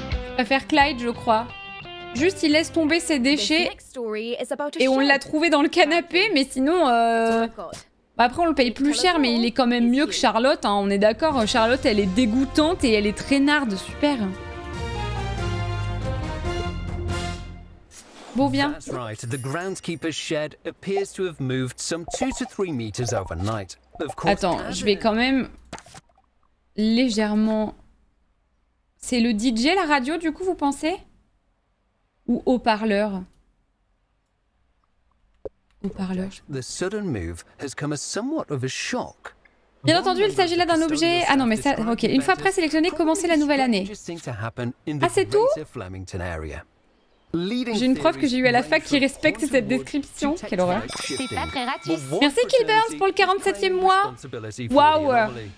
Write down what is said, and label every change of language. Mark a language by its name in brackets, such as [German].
[French] Je préfère Clyde, je crois. Juste, il laisse tomber ses déchets. Et on l'a trouvé dans le canapé, mais sinon... Après, on le paye plus cher, mais il est quand même mieux que Charlotte, hein, on est d'accord. Charlotte, elle est dégoûtante et elle est traînarde, super. Bon, bien. [English] That's right. The groundskeeper's shed appears to have moved some 2 to 3 meters overnight. Of course. [French] Attends, je vais quand même légèrement. C'est le DJ la radio du coup vous pensez? Ou haut-parleur? Haut-parleur. [English] The sudden move has come as somewhat of a shock. [French] Bien entendu, il s'agit là d'un objet... Ah non, mais ça... Ok, une fois pré-sélectionné, commencez la nouvelle année. Ah, c'est tout? J'ai une preuve que j'ai eue à la fac qui respecte cette description. Quelle horreur. C'est pas très gratuit. Merci Killburns pour le 47e mois. Wow.